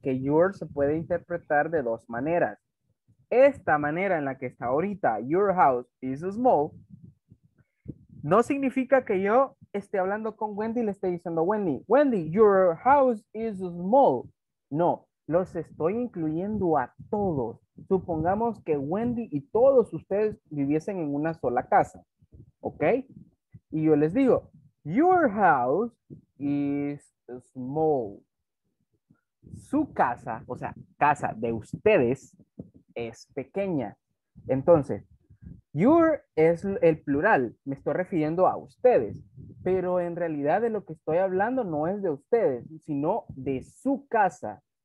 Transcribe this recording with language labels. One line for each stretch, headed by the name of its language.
Spanish: Que your se puede interpretar de dos maneras. Esta manera en la que está ahorita,
English: your house is small,
Spanish: no significa que yo esté hablando con Wendy y le esté diciendo,
English: Wendy, Wendy, your house is small.
Spanish: No, los estoy incluyendo a todos. Supongamos que Wendy y todos ustedes viviesen en una sola casa. ¿Ok? Y yo les digo,
English: your house is small.
Spanish: Su casa, o sea, casa de ustedes, es pequeña. Entonces, your es el plural. Me estoy refiriendo a ustedes. Pero en realidad de lo que estoy hablando no es de ustedes, sino de su casa.